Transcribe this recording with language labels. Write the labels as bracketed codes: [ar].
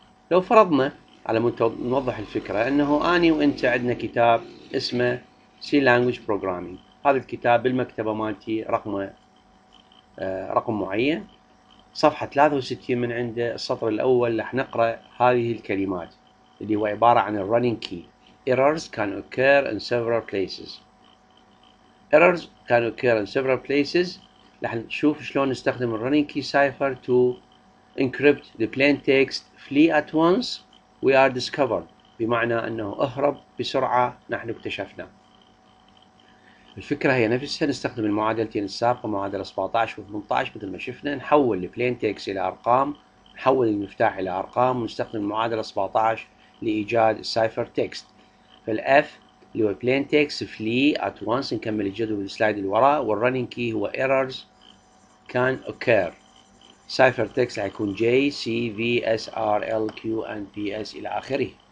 [ar] لو فرضنا على نوضح الفكرة أنه أنا وأنت عندنا كتاب اسمه C Language Programming. هذا الكتاب بالمكتبة مالتي رقم معين، صفحة 63 من عنده، السطر الأول لح نقرأ هذه الكلمات اللي هو عبارة عن Running Key. [en] Errors can occur in several places. Errors can occur in several places. [ar] لح نشوف شلون نستخدم Running Key Cipher [en] to encrypt the plain text. Flee at once. We are discovered. [ar] بمعنى أنه أهرب بسرعة نحن اكتشفنا. الفكرة هي نفسها، نستخدم المعادلتين السابقة معادلة 17 و18 مثل ما شفنا، نحول البلين تيكس إلى أرقام، نحول المفتاح إلى أرقام، ونستخدم المعادلة 17 لإيجاد السايفر تيكست. فالF اللي هو البلين تيكس فلي at once، نكمل الجدول بالسلايد اللي وراء، والرننج كي هو [en] errors can occur. [ar] سايفر تيكس سيكون J C V S R L Q N P S إلى آخره.